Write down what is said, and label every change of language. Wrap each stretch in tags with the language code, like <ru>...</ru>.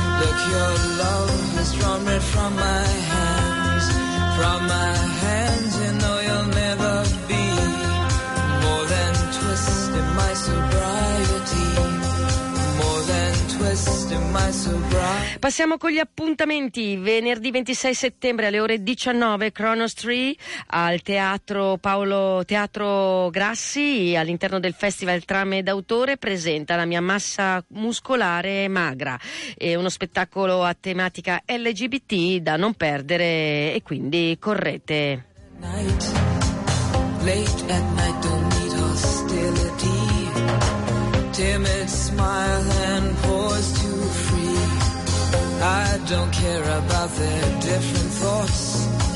<en>Look, your love has drawn red from my hands. From my hands, you know you'll never be more than twist in my sobriety. More than twist in my sobriety.</en> <it>Passiamo con gli appuntamenti. Venerdì 26 settembre alle ore 19, Kronos 3 al Teatro Paolo, Teatro Grassi, all'interno del Festival Trame d'Autore, presenta La mia massa muscolare magra. È uno spettacolo a tematica LGBT da non perdere, e quindi correte.</it> <en>Late at night, don't need hostility. Timid smile and pause to free. I don't care about their different thoughts.</en>